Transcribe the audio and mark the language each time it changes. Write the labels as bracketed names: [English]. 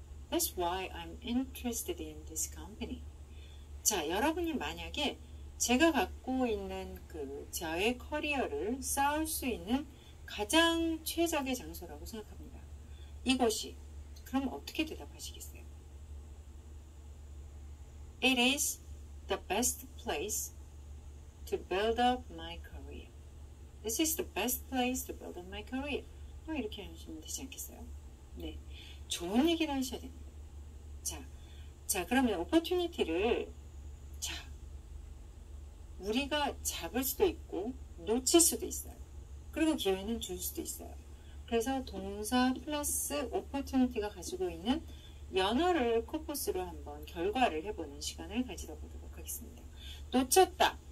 [English] That's why I'm interested in this company. [Korean] 자, 여러분이 만약에 제가 갖고 있는 그 저의 커리어를 쌓을 수 있는 가장 최적의 장소라고 생각합니다. 이곳이. 그럼 어떻게 대답하시겠어요? [English] It is the best place to build up my career. This is the best place to build up my career. [Korean] 뭐 이렇게 하시면 되지 않겠어요? 네. 좋은 얘기를 하셔야 됩니다. 자, 그러면 opportunity를 자, 우리가 잡을 수도 있고 놓칠 수도 있어요. 그리고 기회는 줄 수도 있어요. 그래서 동사 플러스 opportunity가 가지고 있는 연어를 코퍼스로 한번 결과를 해보는 시간을 가지다 보도록 하겠습니다. 놓쳤다.